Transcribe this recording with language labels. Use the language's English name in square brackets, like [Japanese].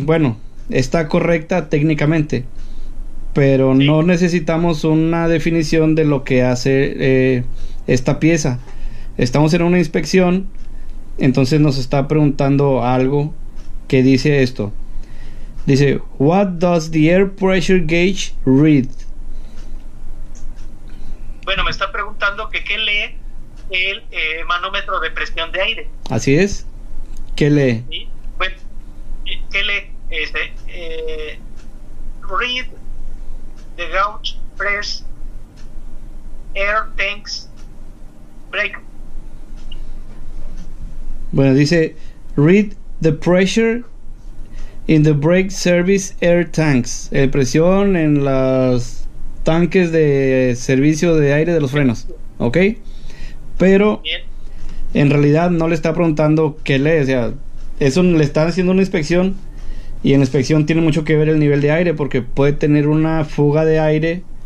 [Spanish] Bueno, está correcta técnicamente, pero sí. No necesitamos una definición de lo que hace esta pieza. Estamos en una inspección, entonces nos está preguntando algo que dice esto. [English] Dice, "What does the air pressure gauge read?" [Spanish] Bueno, me está preguntando que qué lee el manómetro de presión de aire. Así es. ¿Qué lee? ¿Sí? Bueno, ¿qué lee? [English] Read the gauge press air tanks brake. [Spanish] Bueno, dice, [English] read the pressure in the brake service air tanks. [Spanish] Presión en las... tanques de servicio de aire de los frenos, ¿ok? Pero bien. En realidad no le está preguntando qué lee, o sea, eso le está haciendo una inspección, y en inspección tiene mucho que ver el nivel de aire, porque puede tener una fuga de aire,